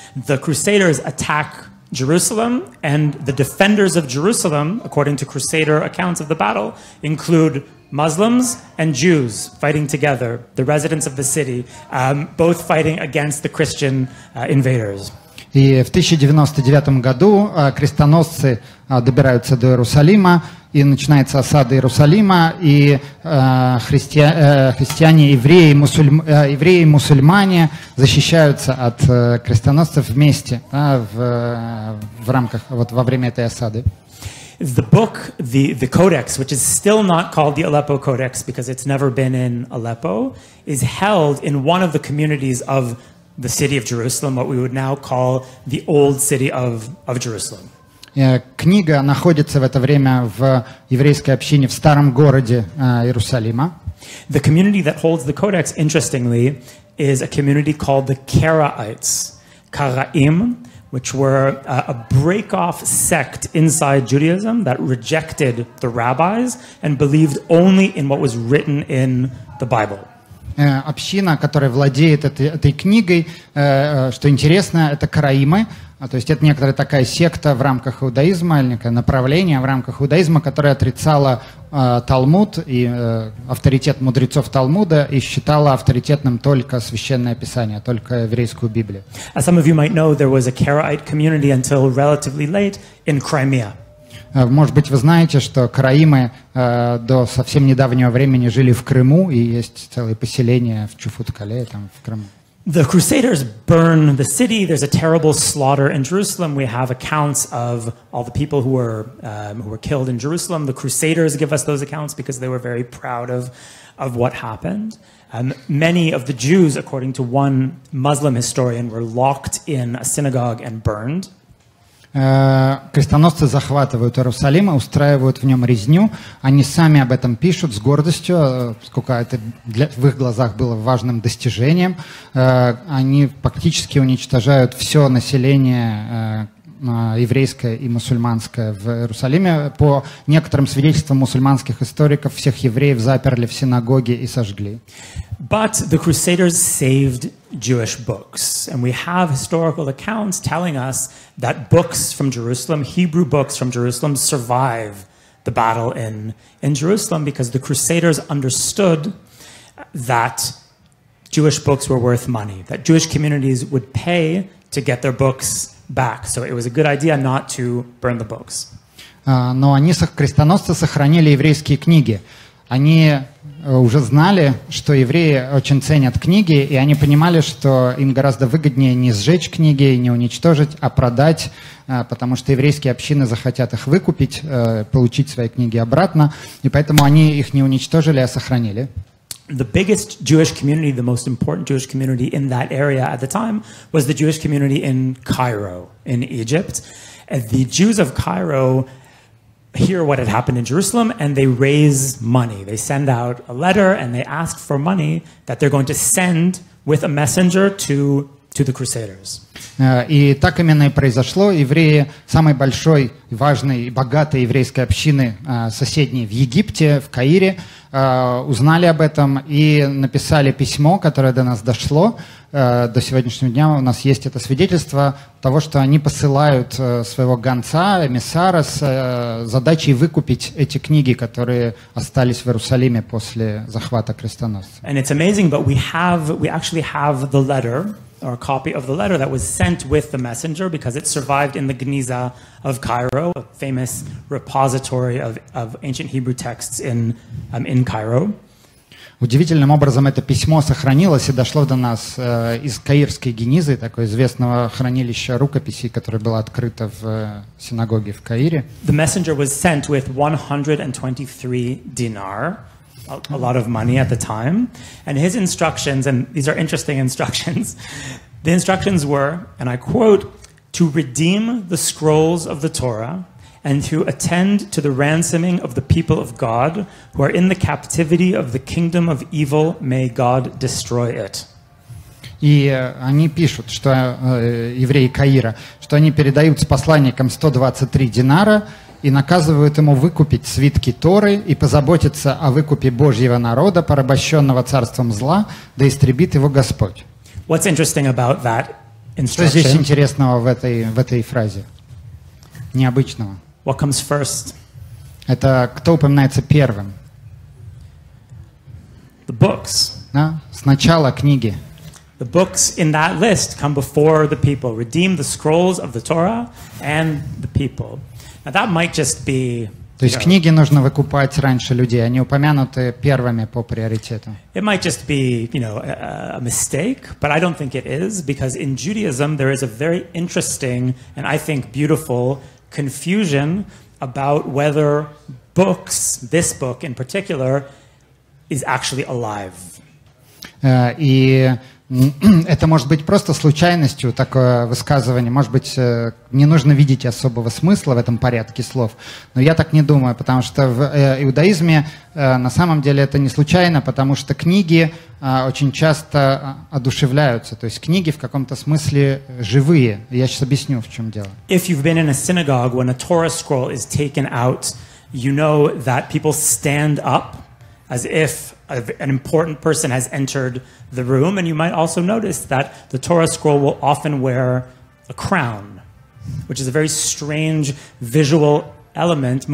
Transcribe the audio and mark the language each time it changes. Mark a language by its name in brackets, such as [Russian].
[English] The crusaders attack Jerusalem, and the defenders of Jerusalem, according to crusader accounts of the battle, include Muslims and Jews fighting together, the residents of the city, both fighting against the Christian invaders. [Russian] И в 1099 году крестоносцы добираются до Иерусалима, и начинается осада Иерусалима, и христиане, евреи, евреи и мусульмане защищаются от крестоносцев вместе, да, в рамках, вот, во время этой осады. [English] Is the book, the codex, which is still not called the Aleppo Codex because it's never been in Aleppo, is held in one of the communities of the city of Jerusalem, what we would now call the old city of Jerusalem. [Russian] Книга находится в это время в еврейской общине в старом городе Иерусалима. [English] The community that holds the codex, interestingly, is a community called the Karaites, Karaim, which were a break-off sect inside Judaism that rejected the rabbis and believed only in what was written in the Bible. [Russian] Община, которая владеет этой книгой, что интересно, это караимы, то есть это некоторая такая секта в рамках иудаизма, или некое направление в рамках иудаизма, которое отрицало Талмуд и авторитет мудрецов Талмуда и считало авторитетным только Священное Писание, только еврейскую Библию. [English] As some of you might know, there was a Karaite community until relatively late in Crimea. [Russian] Может быть, вы знаете, что караимы до совсем недавнего времени жили в Крыму, и есть целые поселения в Чуфут-Кале, там, в Крыму. [English] The crusaders burn the city. There's a terrible slaughter in Jerusalem. We have accounts of all the people who were killed in Jerusalem. The crusaders give us those accounts because they were very proud of what happened. Many of the Jews, according to one Muslim historian, were locked in a synagogue and burned. [Russian] Крестоносцы захватывают Иерусалим, устраивают в нем резню. Они сами об этом пишут с гордостью, сколько это в их глазах было важным достижением. Они фактически уничтожают все население еврейская и мусульманская в Иерусалиме. По некоторым свидетельствам мусульманских историков, всех евреев заперли в синагоге и сожгли. [English] But the Crusaders saved Jewish books. And we have historical accounts telling us that books from Jerusalem, Hebrew books from Jerusalem, survive the battle in Jerusalem because the Crusaders understood that Jewish books were worth money, that Jewish communities would pay to get their books back. So it was a good idea not to burn the books. [Russian] Но они, крестоносцы, сохранили еврейские книги. Они уже знали, что евреи очень ценят книги, и они понимали, что им гораздо выгоднее не сжечь книги, не уничтожить, а продать, потому что еврейские общины захотят их выкупить, получить свои книги обратно, и поэтому они их не уничтожили, а сохранили. [English] The biggest Jewish community, the most important Jewish community in that area at the time, was the Jewish community in Cairo, in Egypt. And the Jews of Cairo hear what had happened in Jerusalem, and they raise money. They send out a letter, and they ask for money that they're going to send with a messenger to the Crusaders. [Russian] И так именно и произошло. Евреи самой большой, важной и богатой еврейской общины соседней в Египте, в Каире, узнали об этом и написали письмо, которое до нас дошло. До сегодняшнего дня у нас есть это свидетельство того, что они посылают своего гонца, эмиссара, с задачей выкупить эти книги, которые остались в Иерусалиме после захвата крестоносцев. [English] And it's amazing, but we actually have the letter, or a copy of the letter that was sent with the messenger, because it survived in the Gniza of Cairo, a famous repository of ancient Hebrew texts in Cairo. [Russian] Удивительным образом это письмо сохранилось и дошло до нас из Каирской Гнизы, такого известного хранилища рукописей, которое было открыто в синагоге в Каире. [English] The messenger was sent with 123 dinar. A lot of money at the time. And his instructions, and these are interesting instructions, the instructions were, and I quote, to redeem the scrolls of the Torah and to attend to the ransoming of the people of God who are in the captivity of the kingdom of evil. May God destroy it. [Russian] И они пишут, что евреи Каира, что они передают с посланником 123 динара, и наказывают ему выкупить свитки Торы и позаботиться о выкупе Божьего народа, порабощенного царством зла, да истребит его Господь. [English] What's interesting about that instruction? [Russian] Что здесь интересного в этой фразе? Необычного. [English] What comes first? [Russian] Это кто упоминается первым? [English] The books. [Russian] Да? Сначала книги. [English] The books in that list come before the people. Redeem the scrolls of the Torah and the people. Now that might just be. [Russian] То есть книги нужно выкупать раньше людей, они упомянуты первыми по приоритету. [English] It might just be, you know, a mistake, but I don't think it is, because in Judaism there is a very interesting and I think beautiful confusion about whether books, this book in particular, is actually alive. [Russian] И это может быть просто случайностью такое высказывание. Может быть, не нужно видеть особого смысла в этом порядке слов. Но я так не думаю, потому что в иудаизме на самом деле это не случайно, потому что книги очень часто одушевляются. То есть книги в каком-то смысле живые. Я сейчас объясню, в чем дело. [English] If you've been in a synagogue when a Torah scroll is taken out, you know that people stand up as if an important person has entered the room, and you might also notice that the Torah scroll will often wear a crown, which is a very strange visual element.